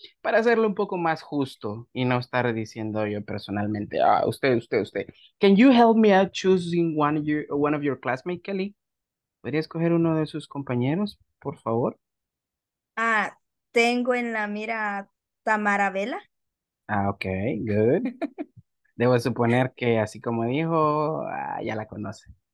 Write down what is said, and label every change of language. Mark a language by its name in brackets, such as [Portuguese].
[Spanish] Para hacerlo un poco más justo y no estar diciendo yo personalmente, ah, usted. [English] Can you help me out choosing one of your classmates, Kelly? [Spanish] ¿Podría escoger uno de sus compañeros, por favor? Ah, tengo en la mira a Tamara Vela. [English] Ah, okay, good. [Spanish] Debo suponer que así como dijo, ah, ya la conoce.